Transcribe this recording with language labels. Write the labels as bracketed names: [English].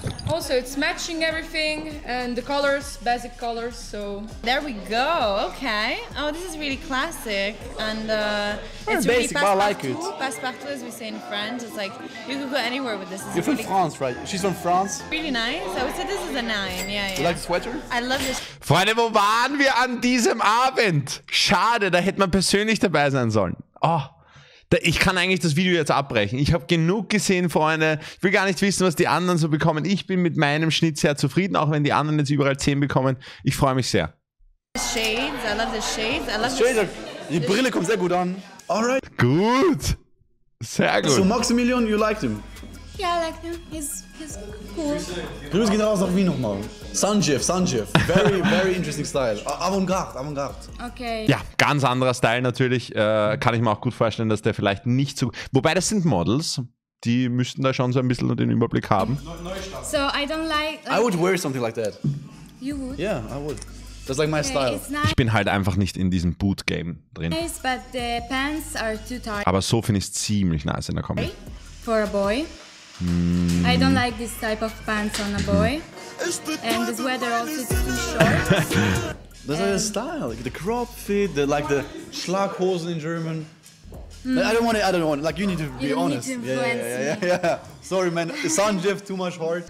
[English] Also it's matching everything and the colors, basic colors, so... There we go, okay. Oh, this is really classic and it's basic, really passepartout. I like it. Passepartout, as we say in French, it's like you could go anywhere with this. You're from France, right? She's from France. Really nice. I would say this is a 9, yeah. You like the sweater? I love this. [German] Freunde, wo waren wir an diesem Abend? Schade, da hätte man persönlich dabei sein sollen. Oh, ich kann eigentlich das Video jetzt abbrechen. Ich habe genug gesehen, Freunde. Ich will gar nicht wissen, was die anderen so bekommen. Ich bin mit meinem Schnitt sehr zufrieden, auch wenn die anderen jetzt überall 10 bekommen. Ich freue mich sehr. [English] Shades, I love the shades. I love the shades. [German] Die Brille kommt sehr gut an. Alright. Gut. Sehr gut. [English] So, Maximilian, you liked him? Yeah, I liked him. He's cool. [German] Grüße gehen raus nach Wien nochmal. Sanjeev. [English] Very, very interesting style. Avantgarde. Okay. [German] Ja, ganz anderer Style natürlich. Kann ich mir auch gut vorstellen, dass der vielleicht nicht so... Wobei, das sind Models. Die müssten da schon so ein bisschen den Überblick haben. [English] So, I don't like... I would wear something like that. You would? Yeah, I would. That's like my style. [German] Ich bin halt einfach nicht in diesem Boot Game drin. [English] Nice, but the pants are too tight. [German] Aber so finde ich es ziemlich nice in der Kombi. [English] For a boy. I don't like this type of pants on a boy. And this weather also is too short. That's like a style, like the crop fit, the, like the Schlaghosen in German. I don't want it. Like you need to be honest. You need to influence me. Sorry, man. Sanjeev, too much heart.